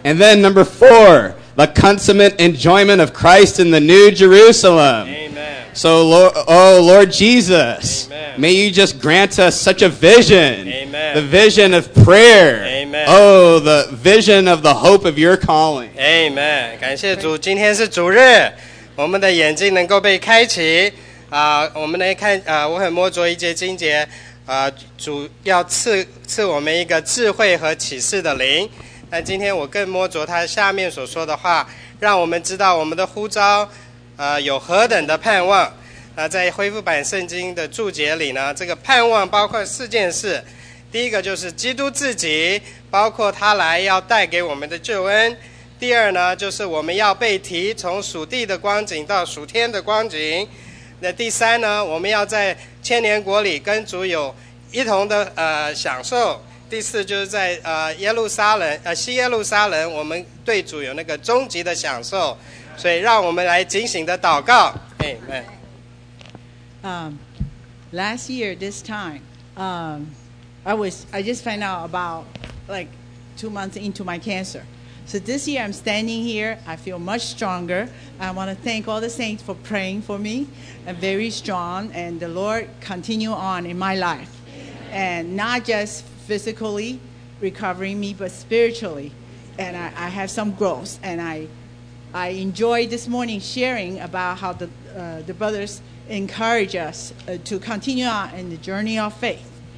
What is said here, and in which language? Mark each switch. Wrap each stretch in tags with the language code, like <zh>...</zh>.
<en>And then number four, the consummate enjoyment of Christ in the New Jerusalem. Amen. So, Lord Jesus, amen. May you just grant us such a vision. Amen. The vision of prayer. Amen. Oh, the vision of the hope of your calling. Amen.</en> <zh>感谢主，今天是主日，我们的眼睛能够被开启。我们来看，我很摸着一节经节，主要赐我们一个智慧和启示的灵。但今天我更摸着他下面所说的话，让我们知道我们的呼召，有何等的盼望。在恢复版圣经的注解里呢，这个盼望包括四件事。第一个就是基督自己，包括他来要带给我们的救恩。第二呢，就是我们要被提从属地的光景到属天的光景。那第三呢，我们要在千年国里跟主有一同的享受。第四就是在耶路撒冷西耶路撒冷，我们对主有那个终极的享受，所以让我们来警醒的祷告。</zh> <en>Amen. Last year this time, I just found out about like 2 months into my cancer. So this year I'm standing here, I feel much stronger. I want to thank all the saints for praying for me. I'm very strong, and the Lord continue on in my life, and not just physically recovering me, but spiritually, and I have some growth, and I enjoy this morning sharing about how the brothers encourage us to continue on in the journey of faith.</en>